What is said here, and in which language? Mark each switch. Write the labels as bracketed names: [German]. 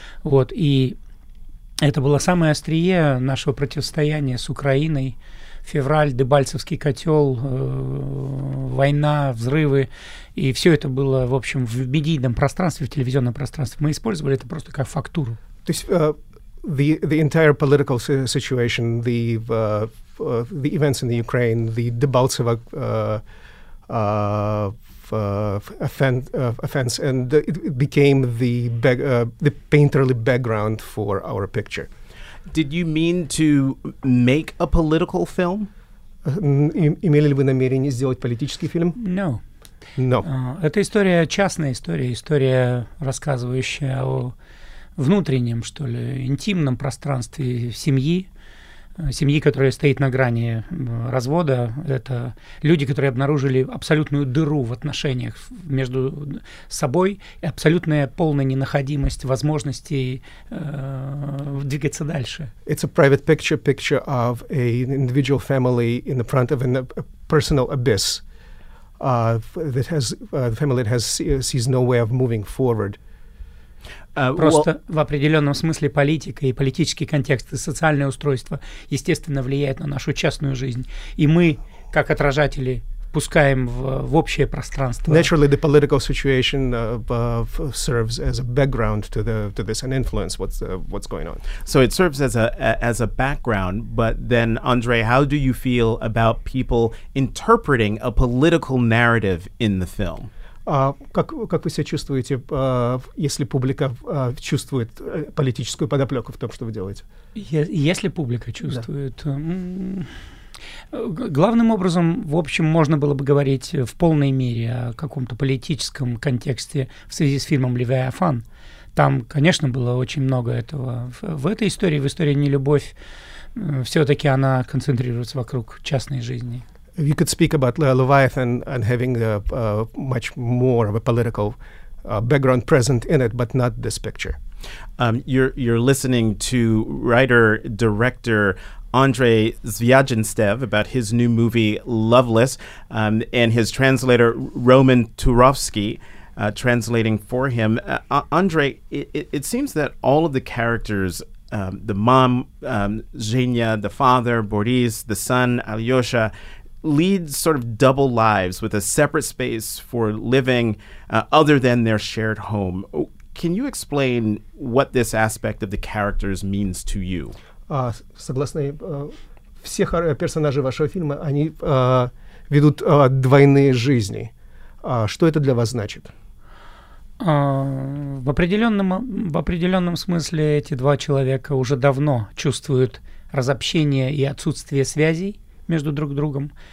[Russian] Вот, и это было самое острие нашего противостояния с Украиной. Февраль, Дебальцевский котел, война, взрывы. И все это было, в общем, в медийном пространстве, в телевизионном пространстве. Мы использовали это просто как фактуру. То есть [English] the entire political situation, the events in the Ukraine, the Дебальцево offense, and it became the painterly background for our picture. Did you mean to make a political film? [Russian] Имели ли вы намерение сделать политический фильм? [English] No. No. [Russian] Это история, частная история, история, рассказывающая о внутреннем, что ли, интимном пространстве семьи. Семьи, которая стоит на грани развода, это люди, которые обнаружили абсолютную дыру в отношениях между собой и абсолютная полная ненаходимость возможностей двигаться дальше. [English] It's a private picture, picture of an individual family in the front of a personal abyss that has the family that has sees no way of moving forward. [Russian] Просто в определенном смысле политика и политический контекст и социальное устройство, естественно, влияет на нашу частную жизнь. И мы, как отражатели, впускаем в общее пространство. [English] Naturally, the political situation serves as a background to this and influence what's going on. So it serves as a background, but then, Andre, how do you feel about people interpreting a political narrative in the film? [Russian] Как вы себя чувствуете, если публика чувствует политическую подоплеку в том, что вы делаете? Если публика чувствует... Да. Главным образом, в общем, можно было бы говорить в полной мере о каком-то политическом контексте в связи с фильмом «Левиафан». Там, конечно, было очень много этого. В этой истории, в истории «Нелюбовь», все-таки она концентрируется вокруг частной жизни. [English] You could speak about Leviathan and having much more of a political background present in it, but not this picture. You're listening to writer-director Andrei Zvyagintsev about his new movie Loveless, and his translator Roman Turovsky translating for him. Andrei, it seems that all of the characters, the mom, Zhenya, the father, Boris, the son, Alyosha, lead sort of double lives with a separate space for living other than their shared home. Can you explain what this aspect of the characters means to you? [Russian] Согласно, все персонажи вашего фильма, они ведут двойные жизни. Что это для вас значит? В определенном смысле эти два человека уже давно чувствуют разобщение и отсутствие связей между друг другом.